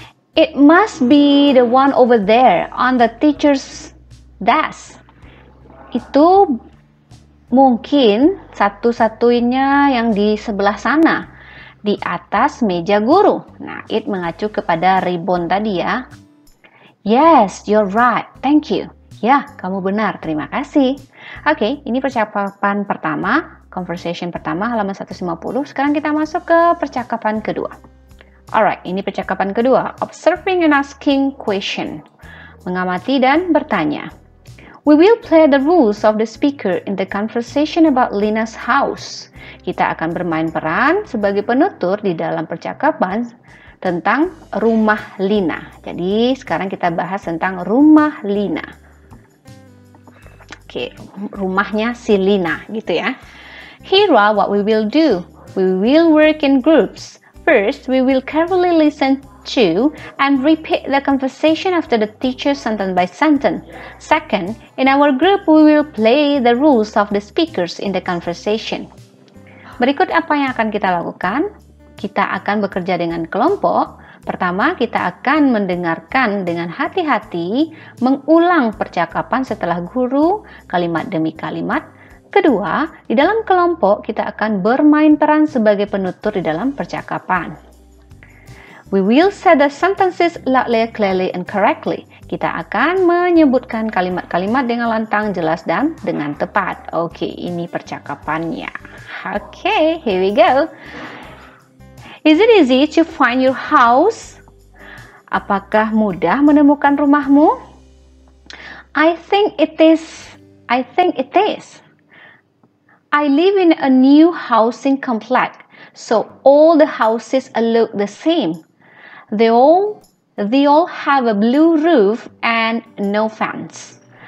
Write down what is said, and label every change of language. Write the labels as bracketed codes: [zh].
[en] It must be the one over there on the teacher's desk. [id] Itu mungkin satu-satunya yang di sebelah sana, di atas meja guru. Nah, it mengacu kepada ribbon tadi ya. [en] Yes, you're right. Thank you. [id] Ya, kamu benar. Terima kasih. Oke, ini percakapan pertama, conversation pertama halaman 150. Sekarang kita masuk ke percakapan kedua. Alright, ini percakapan kedua, [en] observing and asking question. [id] Mengamati dan bertanya. [en] We will play the roles of the speaker in the conversation about Lina's house. [id] Kita akan bermain peran sebagai penutur di dalam percakapan tentang rumah Lina. Jadi, sekarang kita bahas tentang rumah Lina. Oke, rumahnya si Lina, gitu ya. [en] Here are what we will do. We will work in groups. First, we will carefully listen to and repeat the conversation after the teacher sentence by sentence. Second, in our group, we will play the roles of the speakers in the conversation. [id] Berikut apa yang akan kita lakukan. Kita akan bekerja dengan kelompok. Pertama, kita akan mendengarkan dengan hati-hati, mengulang percakapan setelah guru, kalimat demi kalimat. Kedua, di dalam kelompok, kita akan bermain peran sebagai penutur di dalam percakapan. [en] We will say the sentences loudly, clearly, and correctly. [id] Kita akan menyebutkan kalimat-kalimat dengan lantang, jelas, dan dengan tepat. Oke, ini percakapannya. Oke, [en] here we go. Is it easy to find your house? [id] Apakah mudah menemukan rumahmu? [en] I think it is. I live in a new housing complex, so all the houses look the same. They all have a blue roof and no fence.